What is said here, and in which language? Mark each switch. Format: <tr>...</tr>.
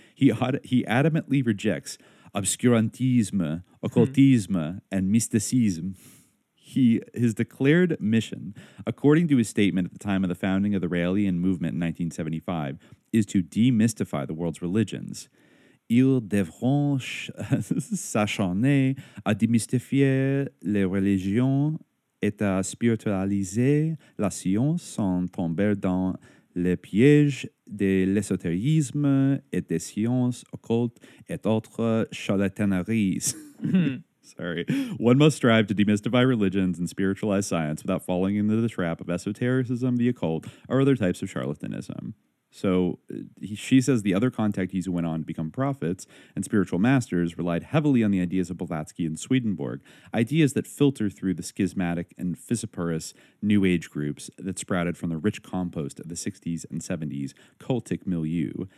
<en>He adamantly rejects obscurantisme, occultisme, and mysticism. His declared mission, according to his statement at the time of the founding of the Raelian movement in 1975, is to demystify the world's religions.</en> <fr>ils devront s'acharner à démystifier les religions et à spiritualiser la science sans tomber dans le piège de l'ésotérisme et des sciences occultes et autres charlataneries.</fr> <en>Sorry. One must strive to demystify religions and spiritualize science without falling into the trap of esotericism, the occult, or other types of charlatanism. So she says the other contactees who went on to become prophets and spiritual masters relied heavily on the ideas of Blavatsky and Swedenborg, ideas that filter through the schismatic and fissiparous New Age groups that sprouted from the rich compost of the 60s and 70s cultic milieu.</en>